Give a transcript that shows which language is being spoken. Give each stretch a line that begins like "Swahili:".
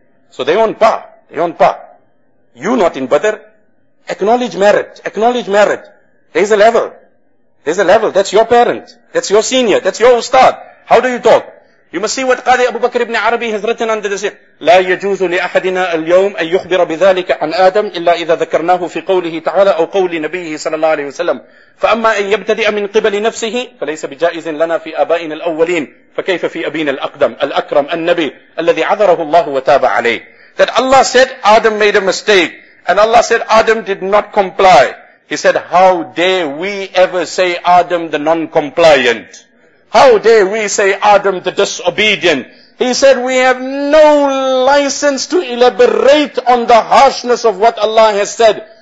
English: So they on par. They on par. You not in Badr. Acknowledge merit. Acknowledge merit. There's a level. There's a level. That's your parent. That's your senior. That's your ustad. How do you talk? You must see what Qadi Abu Bakr ibn Arabi has written under the sea.
Arabic: لا يجوز لأحدنا اليوم أن يخبر بذلك عن آدم إلا إذا ذكرناه في قوله تعالى أو قول نبيه صلى الله عليه وسلم فأما أن يبتدئ من قبل نفسه فليس بجائز لنا في آبائنا الأولين فكيف في أبينا الأقدم الأكرم النبي الذي عذره الله وتاب عليه.
English: That Allah said Adam made a mistake and Allah said Adam did not comply. He said, how dare we ever say Adam the non-compliant? How dare we say Adam the disobedient? He said, we have no license to elaborate on the harshness of what Allah has said.